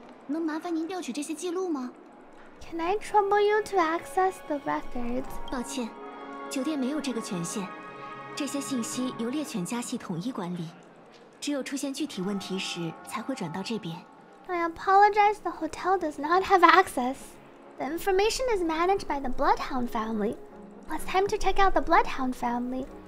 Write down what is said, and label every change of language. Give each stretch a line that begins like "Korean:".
Chinese: 能麻烦您调取这些记录吗?
English: Can I trouble you to access the records?
Chinese: 抱歉,酒店没有这个权限。这些信息由猎犬家系统一管理。只有出现具体问题时,才会转到这边。
English: I apologize, the hotel does not have access. The information is managed by the Bloodhound family. It's time to check out the Bloodhound family.